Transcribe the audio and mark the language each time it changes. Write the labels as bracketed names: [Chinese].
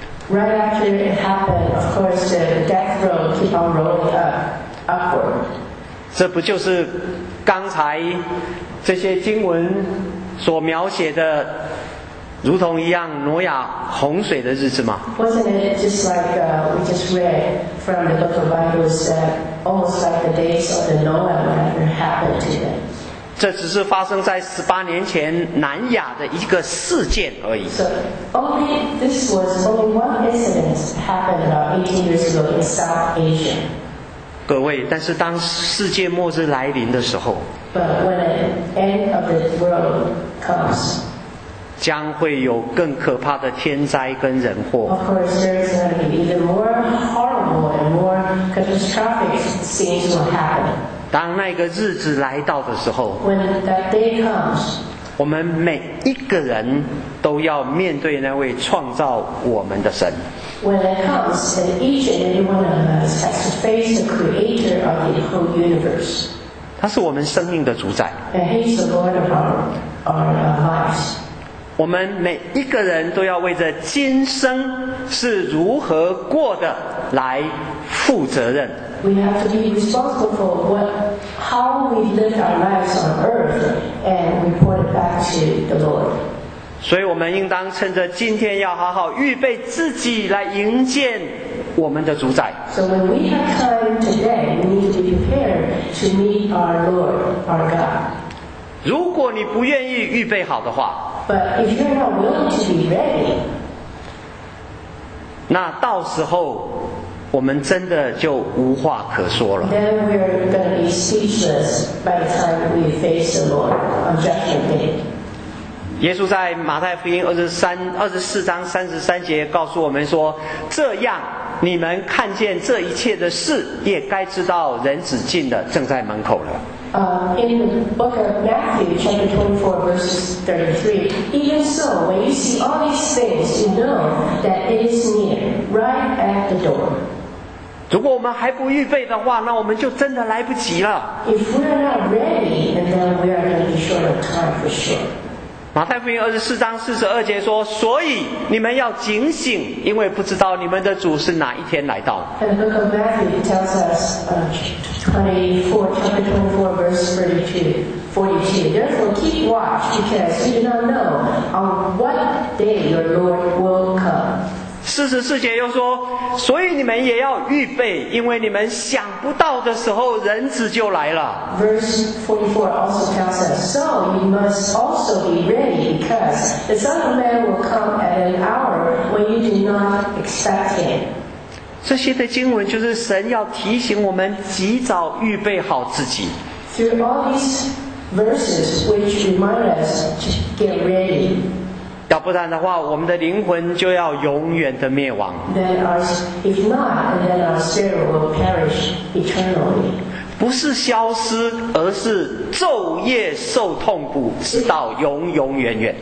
[English] Right after it happened, of course, the death row keep on rolling upward. [Chinese] 这不就是刚才这些经文所描写的？如同一样，挪亚洪水的日子吗？ [English] Wasn't it just like we just read from the book of Bible that almost like the days of the Noah whatever happened to them? [Chinese] 这只是发生在18年前南亚的一个事件而已。 [English] So, only, this was only one incident happened about 18 years ago in South Asia. [Chinese] 各位，但是当世界末日来临的时候， [English] But when the end of the world comes, [Chinese] 将会有更可怕的天灾跟人祸。 [English] Of course, there is going to be even more horrible and more catastrophic things will happen. [Chinese] 当那个日子来到的时候， [English] When that day comes, [Chinese] 我们每一个人都要面对那位创造我们的神。 [English] When that comes, then each and every one of us has to face the creator of the whole universe. [Chinese] 他是我们生命的主宰。 [English] And he's the Lord of our lives. [Chinese] 我们每一个人都要为着今生是如何过的来负责任。 [English] We have to be responsible for how we live our lives on earth and report it back to the Lord. [Chinese] 所以我们应当趁着今天要好好预备自己来迎接我们的主宰。 [English] So when we have time today, we need to be prepared to meet our Lord, our God. [Chinese] 如果你不愿意预备好的话， [English] But if you're not willing to be ready, [Chinese] 那到时候我们真的就无话可说了。 [English] Then we're going to be speechless by the time we face the Lord on judgment day. [Chinese] 耶稣在马太福音24章33节告诉我们说：“这样，你们看见这一切的事，也该知道人子近了，正在门口了。” [English] In the book of Matthew, chapter 24, verse 33, even so, when you see all these things, you know that it is near, right at the door. [Chinese] 如果我们还不预备的话，那我们就真的来不及了。 [English] If we are not ready, then we are going to be short of time for sure. [Chinese] 马太福音24章42节说：“所以你们要警醒，因为不知道你们的主是哪一天来到。” [English] The book of Matthew tells us, chapter 24, verse 42. Therefore, keep watch, because you do not know on what day your Lord will come. [Chinese] 44节又说，所以你们也要预备，因为你们想不到的时候，人子就来了。 [English] Verse 44 also tells us, so you must also be ready, because the Son of Man will come at an hour when you do not expect him. [Chinese] 这些的经文就是神要提醒我们及早预备好自己。 [English] Through all these verses which remind us to get ready. [Chinese] 要不然的话，我们的灵魂就要永远的灭亡。 [English] Then our, if not, then our spirit will perish eternally. [Chinese] 不是消失，而是昼夜受痛苦，直到永永远远。